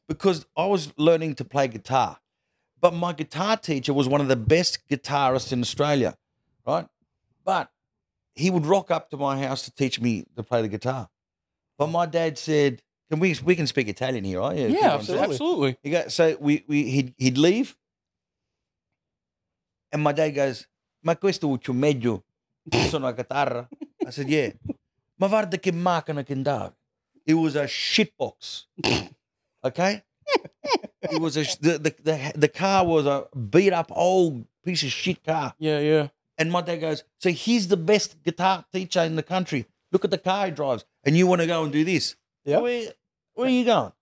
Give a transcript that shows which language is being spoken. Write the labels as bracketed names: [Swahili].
[English] Because I was learning to play guitar. But my guitar teacher was one of the best guitarists in Australia, right? But he would rock up to my house to teach me to play the guitar. But my dad said, we can speak Italian here, right? Yeah, absolutely. He'd leave. And my dad goes, [Italian] ma questo è meglio, sono a chitarra. [English] I said, yeah. [Italian] Ma guarda che macchina che andava. [English] It was a shitbox, okay? The car was a beat up old piece of shit car. Yeah, yeah. And my dad goes, so he's the best guitar teacher in the country. Look at the car he drives. And you want to go and do this? Yeah. Where are you going?